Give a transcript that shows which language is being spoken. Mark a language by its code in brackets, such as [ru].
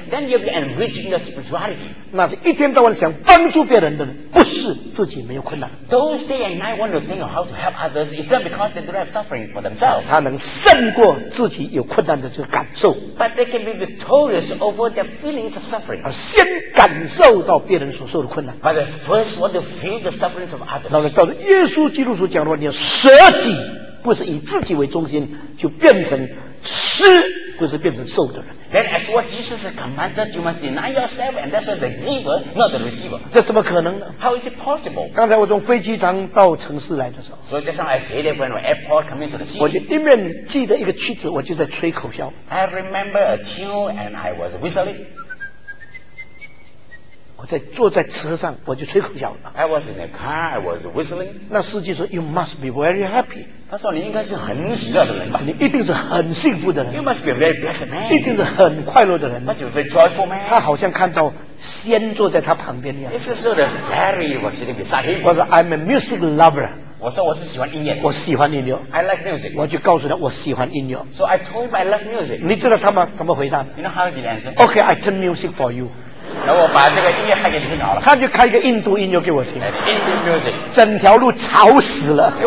[en] Then you'll be enriching your spirituality. [zh] 那是一天到晚想帮助别人的，不是自己没有困难。 [en] Those day and night want to think of how to help others, it's not because they don't have suffering for themselves. [zh] 他能胜过自己有困难的这个感受。 [en] But they can be victorious over their feelings of suffering. [zh] 而先感受到别人所受的困难。 [en] But first, want to feel the sufferings of others. [zh] 那个照着耶稣基督所讲的话，你要舍己，不是以自己为中心，就变成施，不是变成受的人。 [en] Then, as what Jesus commanded, you must deny yourself, and that's the giver, not the receiver. [zh] 这怎么可能呢？ [en] How is it possible? [zh] 刚才我从飞机场到城市来的时候， [en] So just now I said it when airport coming to the city. [zh] 我就一面记得一个曲子，我就在吹口哨。 [en] I remember a tune, and I was whistling. [zh] 我在坐在车上，我就吹口哨了。 [en] I was in a car, I was whistling. [zh] 那司机说 [en] ，You must be very happy. [zh] 他说你应该是很喜乐的人吧？你一定是很幸福的人。 [en] You must be a very blessed man. [zh] 一定是很快乐的人。 [en] Must be a very joyful man. [zh] 他好像看到仙坐在他旁边一样。 [en] This is the fairy was sitting beside him. [zh] 我说 [en] I'm a music lover. [zh] 我说我是喜欢音乐，我喜欢音乐。 [en] I like music。 [zh] 我就告诉他我喜欢音乐。 [en] So I told him I love music。 [zh] 你知道他们怎么回答吗 [en] ？You know how he answered? Okay, I turn music for you。 [zh] 然后我把这个音乐开给你听好了。他就开一个印度音乐给我听。 [en] Indian music。 [zh] 整条路吵死了。